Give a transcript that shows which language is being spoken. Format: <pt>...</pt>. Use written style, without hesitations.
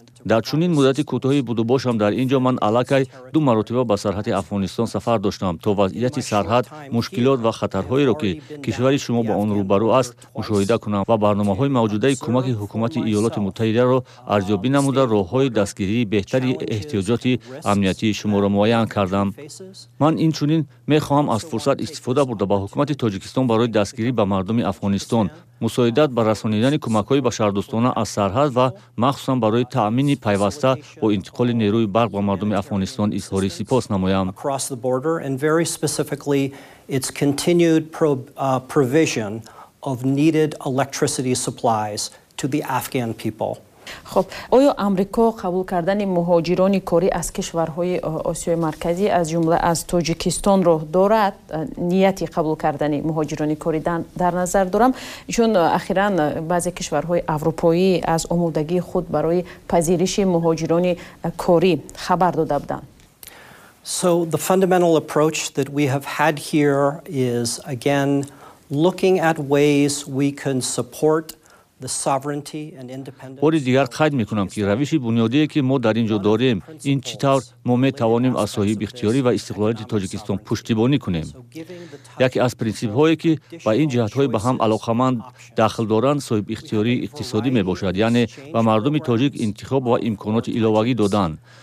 <tg>дар чунин муддати кӯтоҳи будубошам дар инҷо ман аллакай ду маротиба ба сарҳади Афғонистон сафар доштам, то вазъияти сарҳад, мушкилот ва хатарҳоеро ки кишвари шумо ба он рӯбарӯ аст, мушоҳида кунам ва барномаҳои мавҷудаи кӯмаки ҳукумати Иёлоти Муттаҳидаро арзёбӣ намуда, роҳҳои дастгирии беҳтари эҳтиёҷоти амниятии шуморо муайян кардам. ман инчунин мехоҳам аз фурсат истифода бурда ба ҳукумати Тоҷикистон барои дастгирӣ ба мардуми Афғонистон мусоидат ба расонидани кӯмакҳои башардӯстона аз сарҳад ва махсусан барои таъмини пайваста бо интиқоли нерӯи барқ ба мардуми Афғонистон изҳори сипос намоям.</tg> <en>Across the border and very specifically its continued provision of needed electricity supplies to the Afghan people.</en> <fa>خب آیا آمریکا قبول کردن مهاجران کاری از کشورهای آسیای مرکزی از جمله از تاجیکستان را دارد؟ نیتی قبول کردن مهاجران کاری در نظر دارم، چون اخیرا بعضی کشورهای اروپایی از آمادگی خود برای پذیرش مهاجران کاری خبر داده بودند.</fa> <en>So the fundamental approach that we have had here is again looking at ways we can support the sovereignty and independence.</en> <tg>бори дигар қайд мекунам ки равиши бунёдие ки мо дар инҷо дорем ин чӣ тавр мо метавонем аз соҳиби ихтиёрӣ ва истиқлолияти Тоҷикистон пуштибонӣ кунем. яке аз принсипҳое ки ба ин ҷиҳатҳои ба ҳам алоқаманд дахл доранд соҳиби ихтиёрии иқтисодӣ мебошад, яъне ба мардуми тоҷик интихоб ва имконоти иловагӣ додан.</tg>